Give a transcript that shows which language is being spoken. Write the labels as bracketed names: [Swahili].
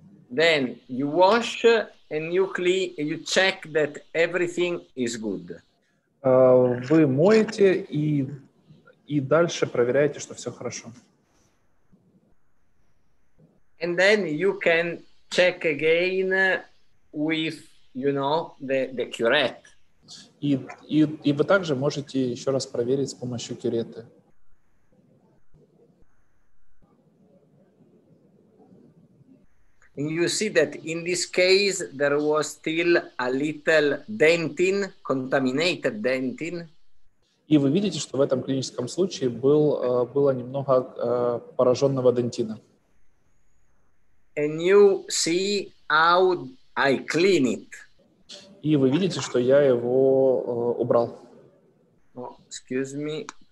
[English] Then you wash and you clean, you check that everything is good. [Russian] Вы моете и дальше проверяете, что все хорошо. [English] And then you can check again with, you know, the curette. [Russian] И вы также можете еще раз проверить с помощью кюреты. [English] You see that in this case there was still a little dentin, contaminated dentin. [Russian] И вы видите, что в этом клиническом случае было немного пораженного дентина. [English] And you see how I clean it. [Russian] И вы видите, что я его убрал. [English] Oh, excuse me.